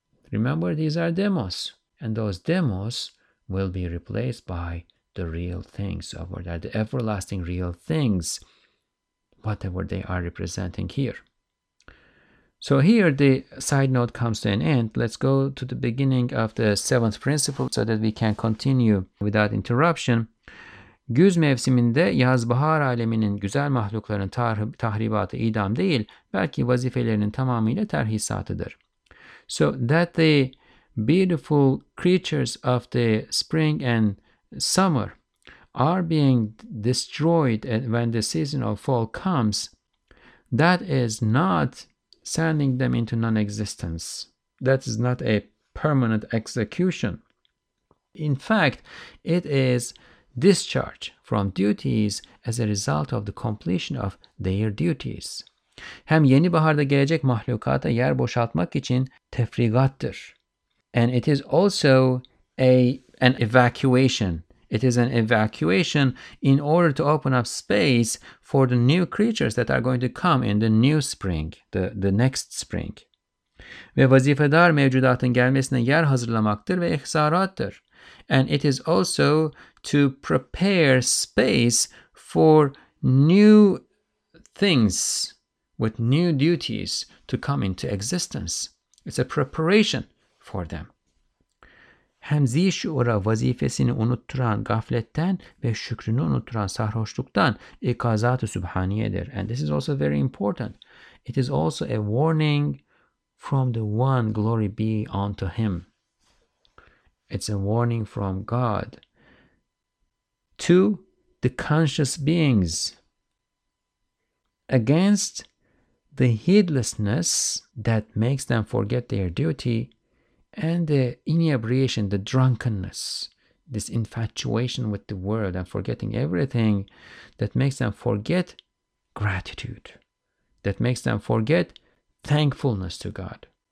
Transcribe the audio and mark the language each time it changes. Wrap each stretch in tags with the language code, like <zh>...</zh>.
<en>Remember, these are demos, and those demos will be replaced by the real things over there, the everlasting real things, whatever they are representing here. So here the side note comes to an end. Let's go to the beginning of the seventh principle so that we can continue without interruption.</en> <tr>Güz mevsiminde yaz bahar aleminin güzel mahlukların tahribatı idam değil, belki vazifelerinin tamamıyla terhisatıdır.</tr> <en>So that the beautiful creatures of the spring and summer are being destroyed when the season of fall comes, that is not sending them into non-existence. That is not a permanent execution. In fact, it is discharge from duties as a result of the completion of their duties.</en> <tr>Hem yeni baharda gelecek mahlukata yer boşaltmak için tefrigattır.</tr> <en>And it is also an evacuation. It is an evacuation in order to open up space for the new creatures that are going to come in the new spring, the next spring.</en> <tr>Ve vazifedar mevcudatın gelmesine yer hazırlamaktır ve ihsarattır.</tr> <en>And it is also to prepare space for new things with new duties to come into existence. It's a preparation for them.</en> <tr>Hem zişura vazifesini unutturan gafletten ve şükrünü unutturan sarhoşluktan ikazat-ı sübhaniyedir.</tr> <en>And this is also very important. It is also a warning from the one, glory be unto him. It's a warning from God to the conscious beings against the heedlessness that makes them forget their duty, and the inebriation, the drunkenness, this infatuation with the world and forgetting everything that makes them forget gratitude, that makes them forget thankfulness to God.</en>